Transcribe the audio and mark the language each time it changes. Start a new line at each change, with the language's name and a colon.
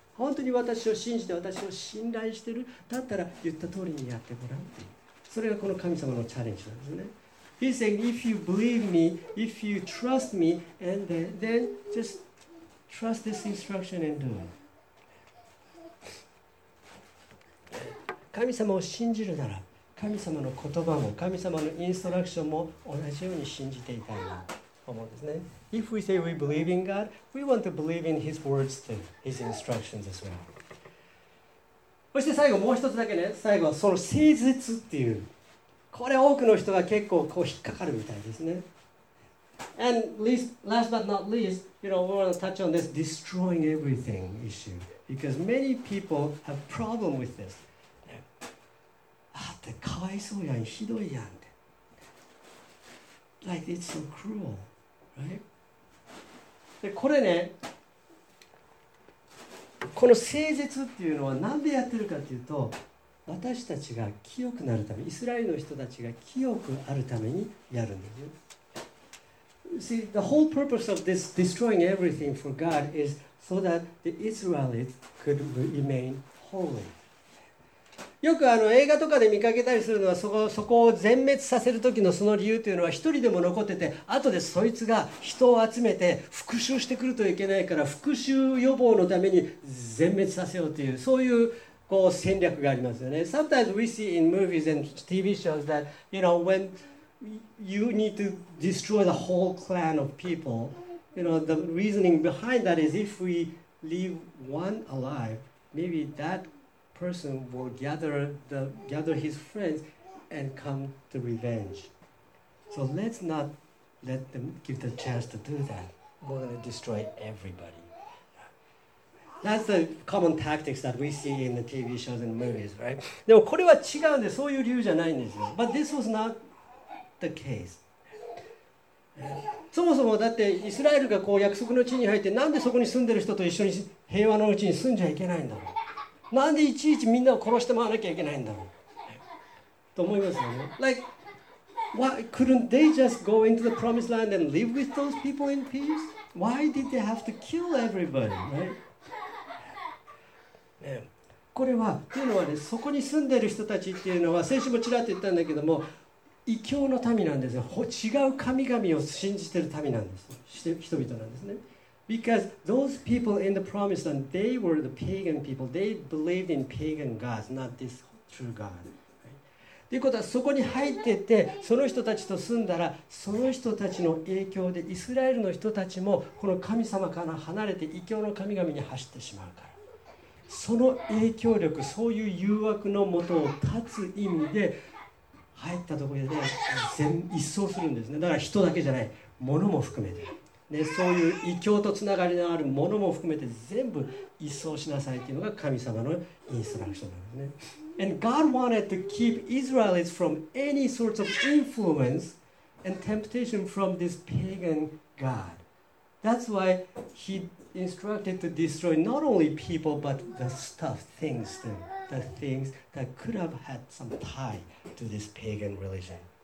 Japanese: 本当に私を信じて、私を信頼してる？だったら言った通りにやってごらん。それがこの神様のチャレンジなんですね。
English: He's saying, If you believe me, if you trust me, and then just trust this instruction and do it.
Japanese: 神様を信じるなら、神様の言葉も神様のインストラクションも同じように信じていたいなと思うんですね。
English: If we say we believe in God, we want to believe in His words too, His instructions as well.
Japanese: そして最後もう一つだけね、最後はその誠実っていう、これ多くの人が結構こう引っかかるみたいですね。
English: And last but not least, you know, we want to touch on this destroying everything issue because many people have problem with this.
Japanese: かわいそうやん、ひどいやん。
English: Like, it's so cruel, right?
Japanese: で、これね、この誠実っていうのは何でやってるかっていうと、私たちが清くなるため、イスラエルの人たちが清くあるためにやるんですよ。
English: See, the whole purpose of this destroying everything for God is so that the Israelites could remain holy.
Japanese: よくあの映画とかで見かけたりするのは、そこを全滅させる時のその理由というのは、一人でも残ってて後でそいつが人を集めて復讐してくるといけないから、復讐予防のために全滅させようという、そういう、こう戦略がありますよね。
English: Sometimes we see in movies and TV shows that, you know, when you need to destroy the whole clan of people, you know, the reasoning behind that is if we leave one alive, maybe thatperson will gather his friends and come to revenge. So let's not let them give the chance to do that. We're going to destroy everybody. That's the common tactics that we see in the TV shows and movies, right?
Japanese: でもこれは違うんで、そういう理由じゃないんですよ。
English: But this was not the case.
Japanese: そもそもだってイスラエルがこう約束の地に入って、なんでそこに住んでる人と一緒に平和のうちに住んじゃいけないんだろう。なんでいちいちみんなを殺してもらわなきゃいけないんだろう。と思いますよね。
English: Like, why couldn't they just go into the promised land and live with those people in peace? Why did they have to kill everybody, right?
Japanese: ね、これはというのはね、そこに住んでいる人たちっていうのは、先週もちらっと言ったんだけども、異教の民なんですよ。違う神々を信じている民なんです。人々なんですね。
English: Because those people in the promised land, they were the pagan people. They believed in pagan gods, not this true God.
Japanese: と、right? いうことは、そこに入っていって、その人たちと住んだら、その人たちの影響でイスラエルの人たちもこの神様から離れて異教の神々に走ってしまうから。その影響力、そういう誘惑のもとを立つ意味で入ったところで、ね、一掃するんですね。だから人だけじゃない、物も含めて、ね、そういう異教とつながりのある物も含めて全部一掃しなさいというのが神様のインストラクションなんですね。
English: And God wanted to keep Israelites from any sorts of influence and temptation from this pagan God. That's why heinstructed to destroy not only people but the stuff, things, the things that could have had some tie to this pagan religion.